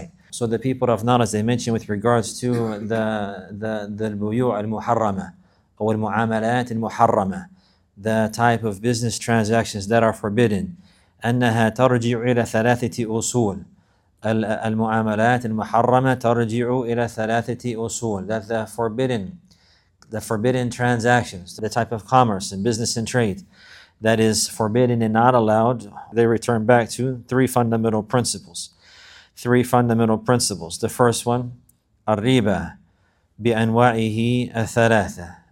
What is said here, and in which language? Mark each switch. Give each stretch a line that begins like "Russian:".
English: So the people of knowledge, they mention with regards to the al-buyu' al-muharrama, or al-mu'amalat al-muharrama, the type of business transactions that are forbidden.
Arabic: أنها ترجع إلى ثلاثة أصول المعاملات المحرمة ترجع إلى ثلاثة أصول.
English: That the forbidden transactions, the type of commerce and business and trade that is forbidden and not allowed, they return back to three fundamental principles. The first one,
Arabic: الربا بأنواعه الثلاثة.